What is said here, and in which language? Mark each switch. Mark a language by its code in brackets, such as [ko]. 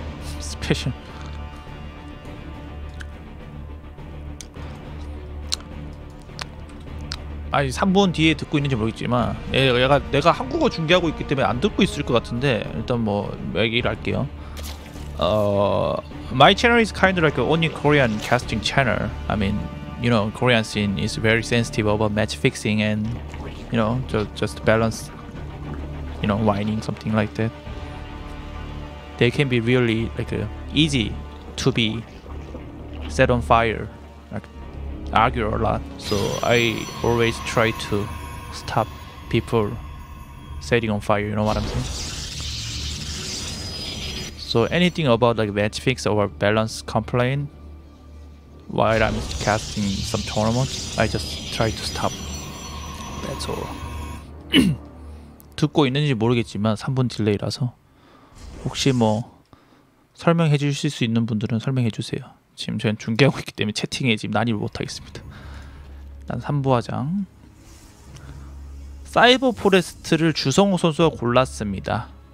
[ko] 스페셜 아니 3분 뒤에 듣고 있는지 모르겠지만 내가 한국어 중계하고 있기 때문에 안 듣고 있을 것 같은데 일단 뭐 얘기를 할게요. [en] My channel is kind of like the only Korean casting channel. I mean, you know, Korean scene is very sensitive about match fixing and you know, just balance, you know, whining something like that. They can be really like easy to be set on fire. Argue a lot, so I always try to stop people setting on fire. You know what I'm saying? So anything about like match fix or balance complain while I'm casting some tournaments, I just try to stop. That's all. [ko] 듣고 있는지 모르겠지만 3분 딜레이라서 혹시 뭐 설명해 주실 수 있는 분들은 설명해 주세요. 지금 저희는 중계하고 있기 때문에 채팅에 지금 난입을 못하겠습니다. 일단 3부화장 사이버 포레스트를 주성호 선수가 골랐습니다.